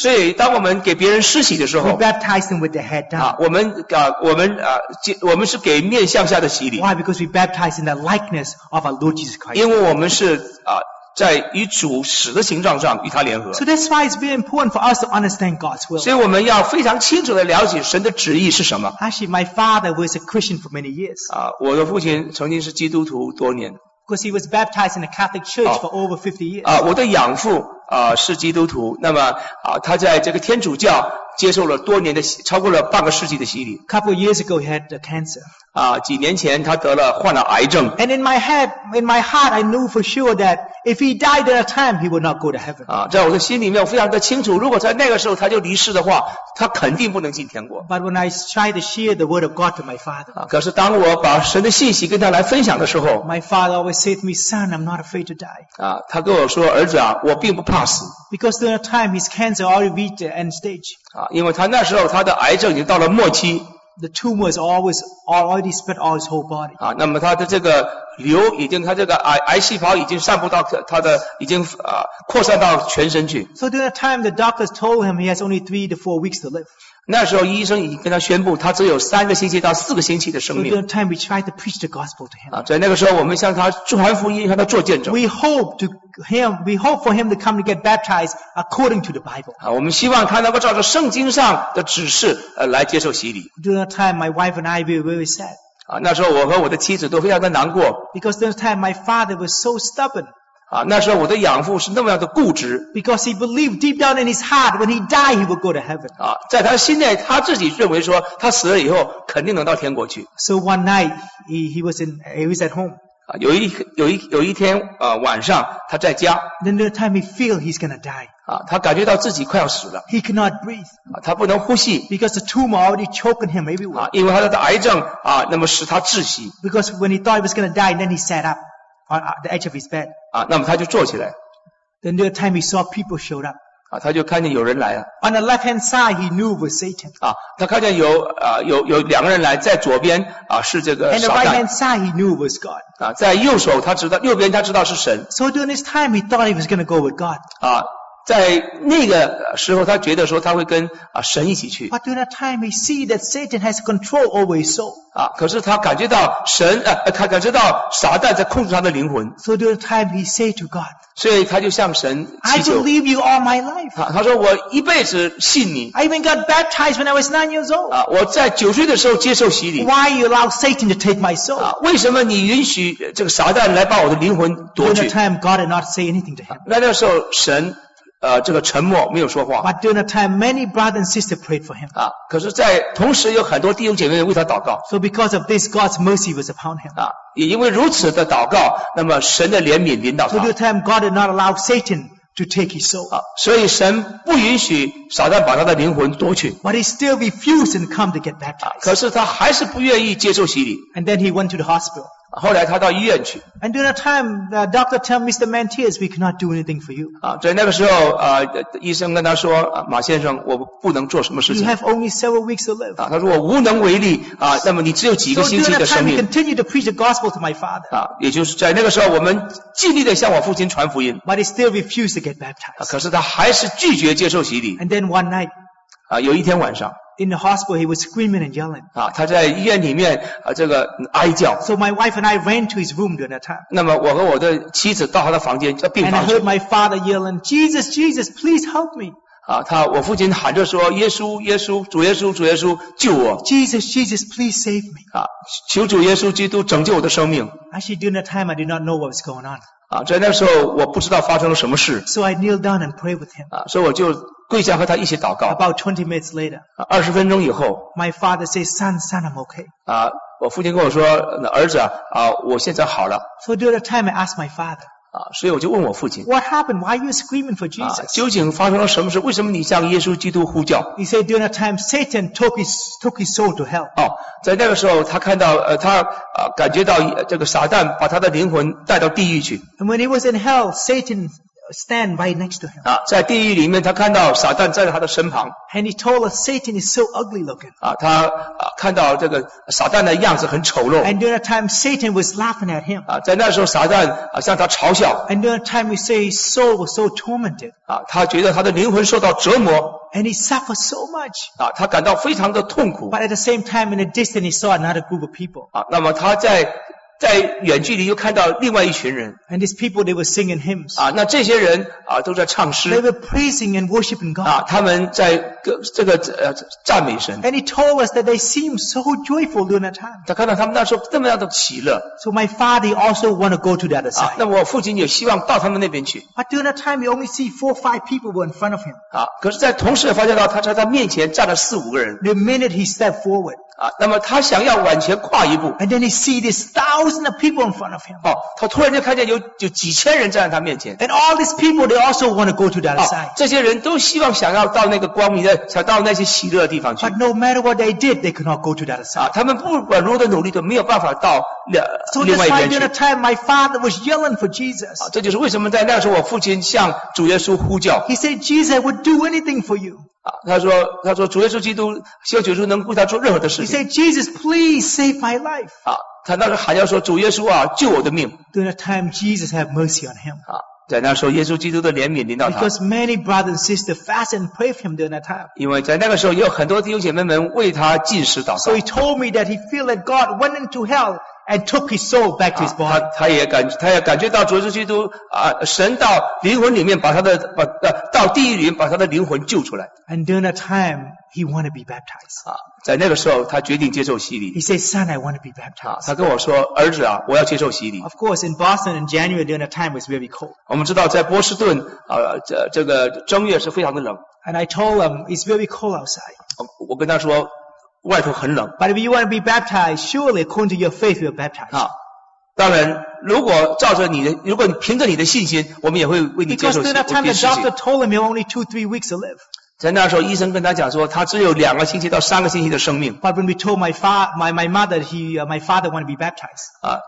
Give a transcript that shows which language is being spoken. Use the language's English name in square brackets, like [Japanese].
[Chinese] 所以当我们给别人施洗的时候 [English] ，we baptize them with their head down. [Chinese] 我们是给面向下的洗礼。 [English] Why? Because we baptize in the likeness of our Lord Jesus. [Chinese] 因为我们是在与主死的形状上与他联合。 [English] So that's why it's very important for us to understand God's will. [Chinese] 所以我们要非常清楚地了解神的旨意是什么。 [English] Actually, my father was a Christian for many years. [Chinese] 我的父亲曾经是基督徒多年。 [English] Because he was baptized in a Catholic church for over 50 years. [Chinese] 我的养父是基督徒，那么他在这个天主教接受了多年的超过了半个世纪的洗礼。 [English] Couple of years ago, he had cancer. [Chinese] 几年前他得了患了癌症。 [English] And in my heart, I knew for sure that if he died at that time, he would not go to heaven. [Chinese] 在我的心里面，我非常的清楚，如果在那个时候他就离世的话，他肯定不能进天国。 [English] But when I tried to share the word of God to my father, [Chinese] 可是当我把神的信息跟他来分享的时候 [English] ，My father always said to me, "Son, I'm not afraid to die." [Chinese] 他跟我说，儿子啊，我并不怕死。 [English] Because during that time, his cancer already reached the end stage. [Chinese] 因为他那时候他的癌症已经到了末期。 [English] The tumor is always already spread all his whole body. [Chinese] 那么他的这个瘤已经，他这个癌细胞已经散布到他的，已经扩散到全身去。 [English] So during that time, the doctors told him he has only 3 to 4 weeks to live. [Chinese] 那时候医生已经跟他宣布，他只有3个星期到4个星期的生命。 [English] So during that time, we tried to preach the gospel to him. [Chinese] 在那个时候，我们向他传福音，向他做见证。 [English] We hope for him to come to get baptized according to the Bible. [Chinese] 我们希望他能够照着圣经上的指示来接受洗礼。 [English] During that time, my wife and I were very sad. [Chinese] 那时候我和我的妻子都非常的难过。 [English] Because during that time, my father was so stubborn. [Chinese] 那时候我的养父是那么样的固执。 [English] Because he believed deep down in his heart, when he died, he would go to heaven. [Chinese] 在他心内，他自己认为说，他死了以后肯定能到天国去。 [English] So one night, he was at home. [Chinese] 有一天晚上他在家。 [English] Then the time he feel he's gonna die. [Chinese] 他感觉到自己快要死了。 [English] He cannot breathe. [Chinese] 他不能呼吸。 [English] Because the tumor already choking him everywhere. [Chinese] 因为他的癌症那么使他窒息。 [English] Because when he thought he was gonna die, then he sat up on the edge of his bed. [Chinese] 那么他就坐起来。 [English] Then the time he saw people showed up. [Chinese] 他就看见有人来了。 [English] On the left hand side, he knew it was Satan. [Chinese] 他看见有两个人来，在左边是这个撒旦。 [English] And the right hand side, he knew it was God. [Chinese] 在右手他知道，右边他知道是神。 [English] So during this time, he thought he was going to go with God. [Chinese] 在那个时候，他觉得说他会跟神一起去。 [English] But during that time, he see that Satan has control over his soul. [Chinese] 可是他感觉到神，他感觉到撒旦在控制他的灵魂。 [English] So during that time, he say to God. [Chinese] 所以他就向神祈求。 [English] I believe you all my life. [Chinese] 他说我一辈子信你。 [English] I even got baptized when I was 9 years old. [Chinese] 我在9岁的时候接受洗礼。 [English] Why you allow Satan to take my soul? [Chinese] 为什么你允许这个撒旦来把我的灵魂夺取 [English] ？During that time, God did not say anything to him. [Chinese] 那个时候神。这个沉默没有说话。 [English] But during that time, many brothers and sisters prayed for him. [Chinese] 可是在同时有很多弟兄姐妹为他祷告。 [English] So because of this, God's mercy was upon him. [Chinese] 也因为如此的祷告，那么神的怜悯临到他。 [English] So during that time, God did not allow Satan to take his soul. [Chinese] 所以神不允许撒旦把他的灵魂夺取。 [English] But he still refused and come to get baptized. [Chinese] 可是他还是不愿意接受洗礼。 [English] And then he went to the hospital. [Chinese] 后来他到医院去。 [English] And during that time, the doctor told Mr. Mantis, "We cannot do anything for you." [Chinese] 在那个时候，医生跟他说，马先生，我不能做什么事情。 [English] You have only 7 weeks to live. [Chinese] 他说我无能为力那么你只有几个星期的生命。 [English] So during that time, he continued to preach the gospel to my father. [Chinese] 也就是在那个时候，我们尽力的向我父亲传福音。 [English] But he still refused to get baptized. [Chinese] 可是他还是拒绝接受洗礼。 [English] And then one night, [Chinese] 有一天晚上。 [English] In the hospital, he was screaming and yelling. [Chinese] 他在医院里面这个哀叫。 [English] So my wife and I ran to his room during that time. [Chinese] 那么我和我的妻子到他的房间，叫病房去。 [English] And I heard my father yelling, "Jesus, Jesus, please help me." [Chinese] 我父亲喊着说，耶稣，耶稣，主耶稣，主耶稣，救我。 [English] Jesus, Jesus, please save me. [Chinese] 求主耶稣基督拯救我的生命。 [English] Actually, during that time, I did not know what was going on. [Chinese] 在那时候我不知道发生了什么事。 [English] So I kneeled down and prayed with him. [Chinese] 所以我就。跪下和他一起祷告。 [English] About 20 minutes later, [Chinese] 20分钟以后 [English] ，My father says, "Son, son, I'm okay." [Chinese] 我父亲跟我说，儿子我现在好了。 [English] So during the time, I asked my father. [Chinese] 所以我就问我父亲 [English] ，What happened? Why are you screaming for Jesus? [Chinese] 究竟发生了什么事？为什么你向耶稣基督呼叫 [English] ？He said, "During the time, Satan took his soul to hell." [Chinese] 在那个时候，他看到他感觉到这个撒旦把他的灵魂带到地狱去。 [English] And when he was in hell, Satan. Stand right next to him. [Chinese] 在地狱里面，他看到撒旦站在他的身旁。 [English] And he told us Satan is so ugly looking. [Chinese] 他看到这个撒旦的样子很丑陋。 [English] And during that time, Satan was laughing at him. [Chinese] 在那时候，撒旦向他嘲笑。 [English] And during that time, he said his soul was so tormented. [Chinese] 他觉得他的灵魂受到折磨。 [English] And he suffered so much. [Chinese] 他感到非常的痛苦。 [English] But at the same time, in the distance, he saw another group of people. [Chinese] 那么他在在远距离又看到另外一群人。 [English] And these people, they were singing hymns. [Chinese] 那这些人都在唱诗。 [English] They were praising and worshiping God. [Chinese] 他们在这个赞美神。 [English] And he told us that they seemed so joyful during that time. [Chinese] 他看到他们那时候这么样的喜乐。 [English] So my father also wanted to go to the other side. [Chinese] 那我父亲也希望到他们那边去。 [English] But during that time, you only see four or five people were in front of him. [Chinese] 可是在同时发现到他在他面前站了四五个人。 [English] The minute he stepped forward. [Chinese] 那么他想要往前跨一步。 [English] And then he see this thousand of people in front of him. [Chinese] 他突然就看见有几千人站在他面前。 [English] And all these people, they also want to go to that side. [Chinese] 这些人都希望想要到那个光明的，想到那些喜乐的地方去。 [English] But no matter what they did, they could not go to that side. [Chinese] 他们不管如何的努力都没有办法到另外一边去。 [English] So this time, my father was yelling for Jesus. [Chinese] 这就是为什么在那时候我父亲向主耶稣呼叫。 [English] He said, Jesus, I would do anything for you. [Chinese] 他说主耶稣基督希望主耶稣能为他做任何的事情。 [English] He said, Jesus, please save my life. [Chinese] 他那时候喊要说主耶稣啊救我的命。 [English] During that time, Jesus had mercy on him. [Chinese] 在那时候耶稣基督的怜悯临到他。 [English] Because many brothers and sisters fasted and prayed for him during that time. [Chinese] 因为在那个时候也有很多弟兄姐妹们为他禁食祷告。 [English] So he told me that he feel that God went into hell. And took his soul back to his body. [Chinese] 他也感觉到主耶稣基督神到灵魂里面到地狱里面把他的灵魂救出来。 [English] And during that time, he wanted to be baptized. [Chinese] 在那个时候，他决定接受洗礼。 [English] He said, "Son, I want to be baptized." [Chinese] 他跟我说，儿子啊，我要接受洗礼。 [English] Of course, in Boston in January during that time was very cold. [Chinese] 我们知道在波士顿这个正月是非常的冷。 [English] And I told him it's very cold outside. [Chinese] 我跟他说。外头很冷。 [English] But if you want to be baptized, surely according to your faith, you're baptized. [Chinese] 当然，如果凭着你的信心，我们也会为你接受洗礼。 [English] Because during that time, the doctor told him he only 2-3 weeks to live. [Chinese] 在那时候，医生跟他讲说，他只有两个星期到三个星期的生命。 [English] But when we told my mother, my father want to be baptized.